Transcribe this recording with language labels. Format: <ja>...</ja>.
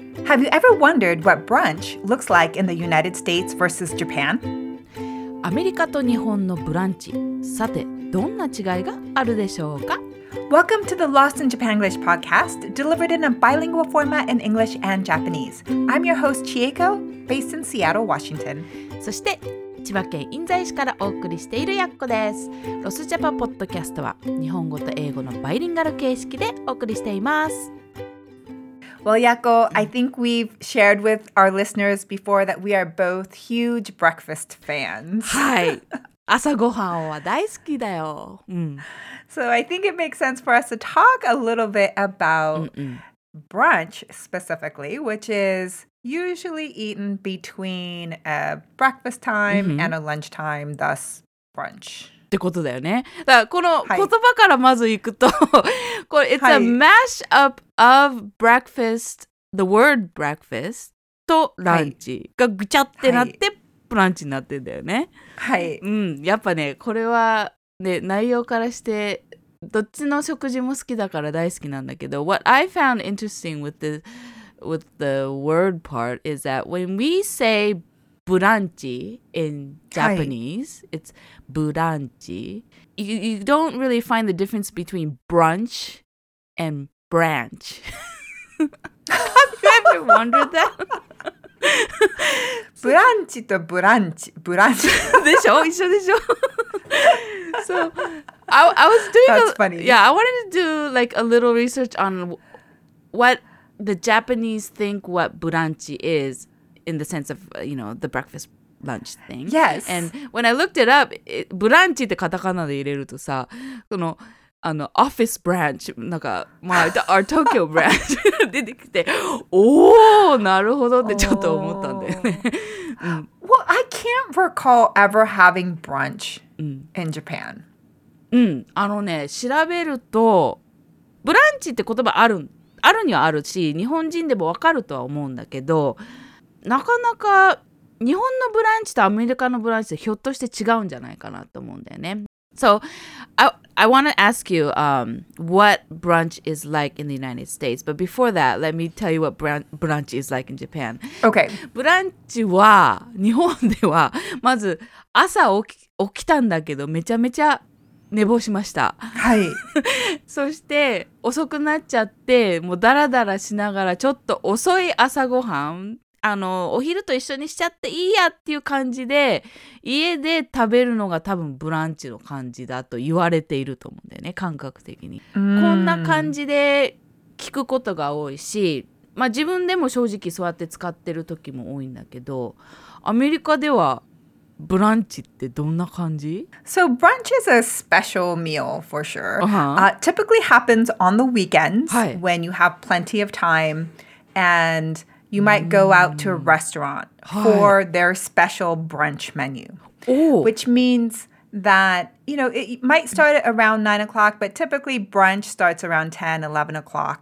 <en>Have you ever wondered what brunch looks like in the United States versus Japan?</en> <ja>アメリカと日本のブランチ、さてどんな違いがあるでしょうか?</ja> <en>Welcome to the Lost in Japan English podcast, delivered in a bilingual format in English and Japanese. I'm your host, Chieko, based in Seattle, Washington.</en> <ja>そして千葉県印西市からお送りしているやっこです。ロスジャパポッドキャストは日本語と英語のバイリンガル形式でお送りしています。</ja> <en>Well, Yakko, I think we've shared with our listeners before that we are both huge breakfast fans.</en> <ja>はい。朝ごはんは大好きだよ。うん。</ja> <en>So I think it makes sense for us to talk a little bit about brunch specifically, which is usually eaten between a breakfast time and a lunch time, thus brunch.</en> <ja>ってことだよね。だからこの言葉からまずいくと、これ、はい、</ja> <en>It's a mashup of breakfast, the word breakfast,</en> <ja>とランチがぐちゃってなって、ブランチになってんだよね。はい。うん、やっぱね、これはね、内容からして、どっちの食事も好きだから大好きなんだけど、</ja> <en>What I found interesting with the word part is that when we say breakfast,ブランチ in Japanese,、はい、it's ブランチ. You don't really find the difference between brunch and branch. Have you ever wondered that?</en> <ja>ブランチとブランチ、ブランチ。でしょ?一緒でしょ?</ja> <en>So, I was doing That's funny. Yeah, I wanted to do like a little research on what the Japanese think what ブランチ is. In the sense of, you know, the breakfast, lunch thing. Yes. And when I looked it up,</en> <ja>ブランチってカタカナで入れるとさ、その、あの、office branch, なんか、まあ、our Tokyo branch 出てきて、おー、なるほどってちょっと思ったんだよね。</ja> <en>Well, I can't recall ever having brunch in Japan.</en> <ja>うん、あのね、調べると、ブランチって言葉ある、あるにはあるし、日本人でもわかるとは思うんだけど、なかなか日本のブランチとアメリカのブランチってひょっとして違うんじゃないかなと思うんだよね。</ja> <en>So, I want to ask you, what brunch is like in the United States. But before that, let me tell you what brunch is like in Japan. Okay.</en> <ja>ブランチは日本ではまず朝起きたんだけどめちゃめちゃ寝坊しました。はい。そして遅くなっちゃってもうダラダラしながらちょっと遅い朝ごはん。あのお昼と一緒にしちゃっていいやっていう感じで家で食べるのが多分ブランチの感じだと言われていると思うんだよね感覚的に、mm. こんな感じで聞くことが多いし、まあ、自分でも正直そうやって使ってる時も多いんだけどアメリカではブランチってどんな感じ?</ja> <en>So brunch is a special meal for sure、uh-huh. Typically happens on the weekends、はい、when you have plenty of time andYou might go out to a restaurant for their special brunch menu. Ooh. Which means that, you know, it might start at around 9 o'clock, but typically brunch starts around 10, 11 o'clock.</en>